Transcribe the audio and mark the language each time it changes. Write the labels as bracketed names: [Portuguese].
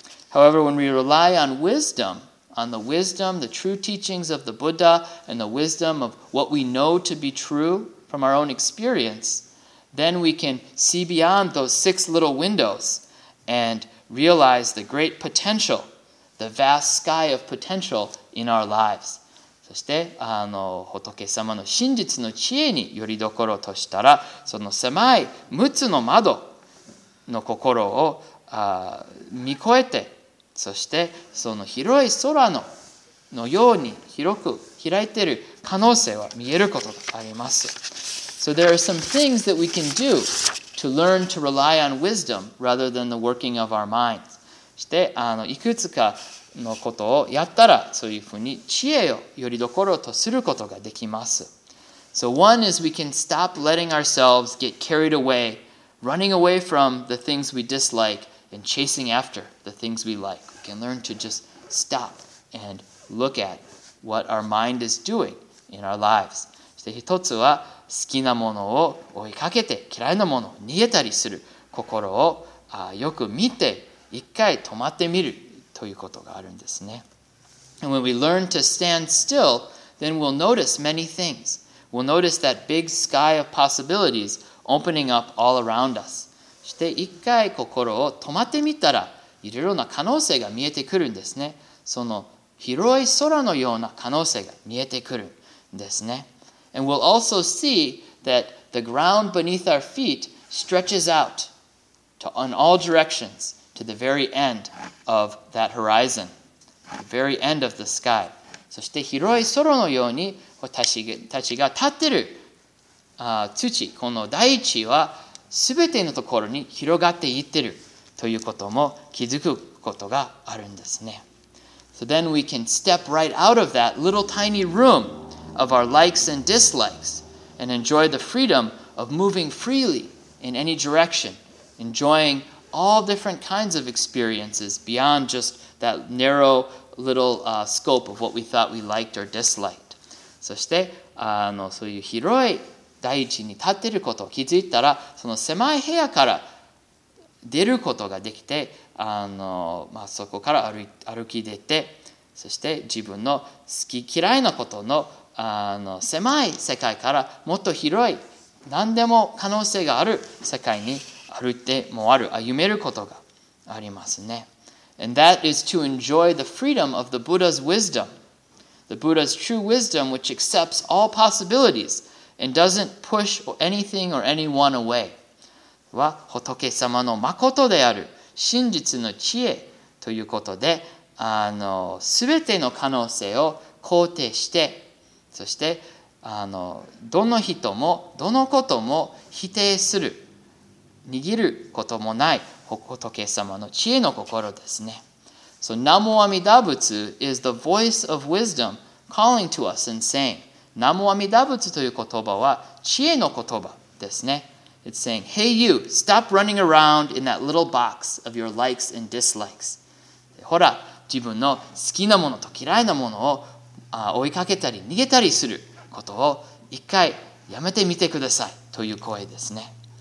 [English] However, when we rely on wisdom, on the wisdom, the true teachings of the Buddha, and the wisdom of what we know to be true from our own experience, then we can see beyond those six little windows and realize the great potential. The vast sky of potential in our lives. [Japanese] そして仏様の真実の知恵によりどころとしたら、その狭い6つの窓の心を見越えて、そしてその広い空のように広く開いている可能性は見えることがあります。 [English] So there are some things that we can do to learn to rely on wisdom rather than the working of our mind. [Japanese] して、いくつかのことをやったら、そういうふうに知恵をよりどころとすることができます。 [English] So one is we can stop letting ourselves get carried away, running away from the things we dislike and chasing after the things we like. We can learn to just stop and look at what our mind is doing in our lives. [Japanese] そして一つは好きなものを追いかけて嫌いなものを逃げたりする心をよく見て、一回止まってみるということがあるんですね。 [English] And when we learn to stand still, then we'll notice many things. We'll notice that big sky of possibilities opening up all around us. [Japanese] して一回心を止まってみたら、いろいろな可能性が見えてくるんですね。その広い空のような可能性が見えてくるんですね。 [English] And we'll also see that the ground beneath our feet stretches out to in all directions. To the very end of that horizon, the very end of the sky. [Japanese] そして広い空のように私たちが立ってる土、この大地は全てのところに広がっていってるということも気づくことがあるんですね。 [English] So then we can step right out of that little tiny room of our likes and dislikes and enjoy the freedom of moving freely in any direction, enjoying. All different kinds of experiences beyond just that narrow little scope of what we thought we liked or disliked. [Japanese] そして、そういう広い大地に立っていることを気づいたら、その狭い部屋から出ることができて、そこから歩き出て、そして自分の好き嫌いなことの、狭い世界からもっと広い、何でも可能性がある世界に歩いてもある、歩めることがありますね。 [English] And that is to enjoy the freedom of the Buddha's wisdom. The Buddha's true wisdom which accepts all possibilities and doesn't push anything or anyone away. [Japanese] は仏様の誠である真実の知恵ということで、全ての可能性を肯定して、そしてどの人もどのことも否定する。握ることもない仏様の知恵の心ですね。 [English] So, Namo Amida Butsu is the voice of wisdom calling to us and saying, [Japanese] Namo Amida Butsu という言葉は知恵の言葉ですね。 [English] It's saying, Hey you, stop running around in that little box of your likes and dislikes. [Japanese] ほら、自分の好きなものと嫌いなものを追いかけたり逃げたりすることを一回やめてみてくださいという声ですね。